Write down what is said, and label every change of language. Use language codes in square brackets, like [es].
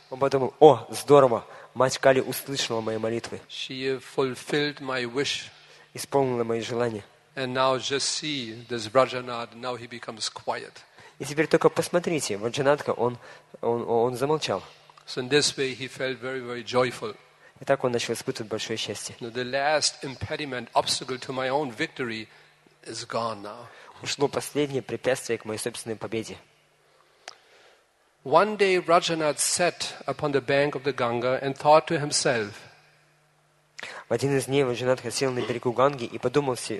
[ru] Он подумал, о, здорово, мать Кали услышала мои молитвы. [en] She fulfilled my wish. [ru] Исполнило мои желания. [en] And now just see this Rajanath, now he becomes quiet. [ru] И теперь только посмотрите, Раджанатха, он замолчал. [en] So in this way he felt very, very joyful. [ru] И так он начал испытывать большое счастье. [en] Now the last impediment, obstacle to my own victory is gone now. [ru] Ушло последнее препятствие к моей собственной победе. [en] One day Rajanath sat upon the bank of the Ganga and thought to himself. [ru] В один из дней Раджанатха сел на берегу Ганги и подумал.